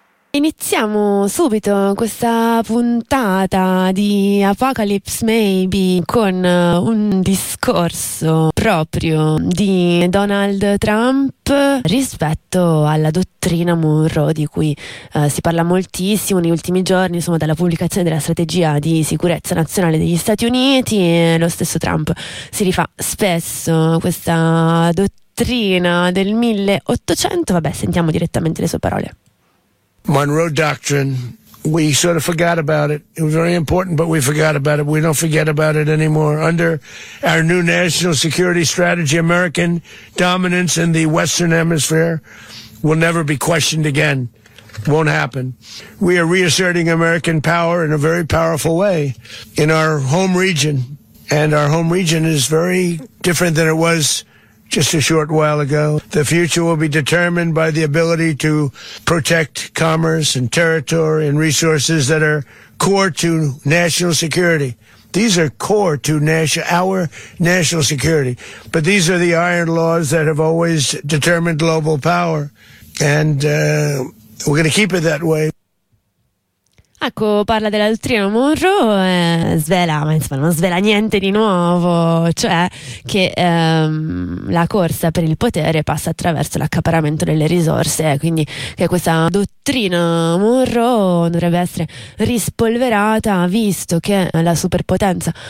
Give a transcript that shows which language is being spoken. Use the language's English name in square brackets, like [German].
[Italian] Iniziamo subito questa puntata di Apocalypse Maybe con un discorso proprio di Donald Trump rispetto alla dottrina Monroe, di cui si parla moltissimo negli ultimi giorni, insomma dalla pubblicazione della strategia di sicurezza nazionale degli Stati Uniti. E lo stesso Trump si rifà spesso questa dottrina del 1800. Vabbè, sentiamo direttamente le sue parole. [English] Monroe Doctrine, we sort of forgot about it. It was very important, but we forgot about it. We don't forget about it anymore. Under our new national security strategy, American dominance in the Western Hemisphere will never be questioned again. Won't happen. We are reasserting American power in a very powerful way in our home region. And our home region is very different than it was just a short while ago. The future will be determined by the ability to protect commerce and territory and resources that are core to national security. These are core to our national security. But these are the iron laws that have always determined global power. And we're going to keep it that way. [Italian] Ecco, parla della dottrina Monroe, svela, ma insomma non svela niente di nuovo, cioè che la corsa per il potere passa attraverso l'accaparamento delle risorse, quindi che questa dottrina Monroe dovrebbe essere rispolverata, visto che la superpotenza